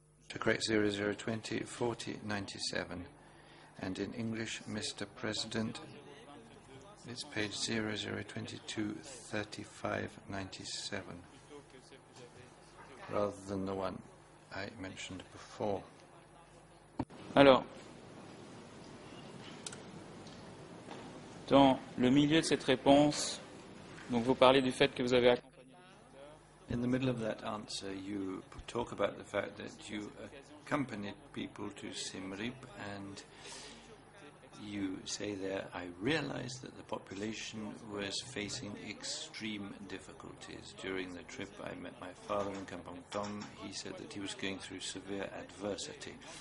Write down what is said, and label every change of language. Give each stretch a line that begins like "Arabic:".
English: To correct 0020, 4097. And in English, Mr. President, it's page 0022, 3597, rather than the one I mentioned before.
French: Alors, dans le milieu de cette réponse, donc vous parlez du fait que vous avez accompagné.
English: In the middle of that answer, you talk about the fact that you accompanied people to Simrip, and you say there, I realized that the population was facing extreme difficulties. During the trip, I met my father in Kampong Tom. He said that he was going through severe adversity.